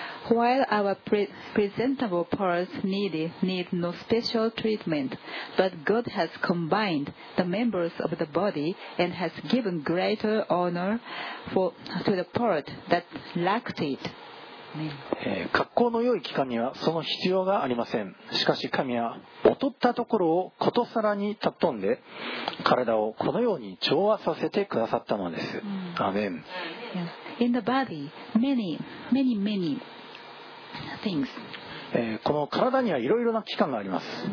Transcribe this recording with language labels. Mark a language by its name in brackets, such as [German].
[English] While our presentable parts need no special treatment, but God has combined the members of the body and has given greater honor to the part that lacked it. [Japanese] 格好の良い器官にはその必要がありません。しかし神は劣ったところをことさらに尊んで体をこのように調和させてくださったのです。アメン。 [English] In the body, many, many, many things. [Japanese] この体にはいろいろな器官があります。